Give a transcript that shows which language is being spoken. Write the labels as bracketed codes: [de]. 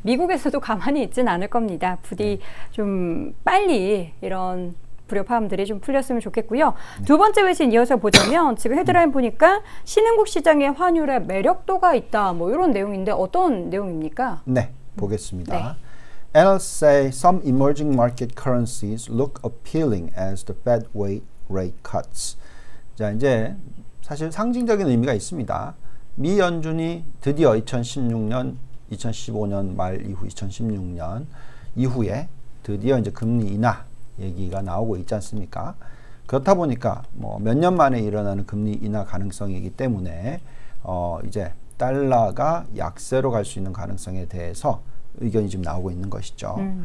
[ko] 미국에서도 가만히 있진 않을 겁니다. 부디 좀 빨리 이런 불협화음들이 좀 풀렸으면 좋겠고요. 네. 두 번째 외신 이어서 보자면 지금 헤드라인 보니까 신흥국 시장의 환율의 매력도가 있다. 뭐 이런 내용인데 어떤 내용입니까? 네, 보겠습니다. 네. [en] Analysts say some emerging market currencies look appealing as the Fed wait rate cuts. [ko] 자, 이제 사실 상징적인 의미가 있습니다. 미 연준이 드디어 2016년, 2015년 말 이후 2016년 이후에 드디어 이제 금리 인하 얘기가 나오고 있지 않습니까? 그렇다 보니까 뭐 몇 년 만에 일어나는 금리 인하 가능성이기 때문에 이제 달러가 약세로 갈 수 있는 가능성에 대해서 의견이 지금 나오고 있는 것이죠.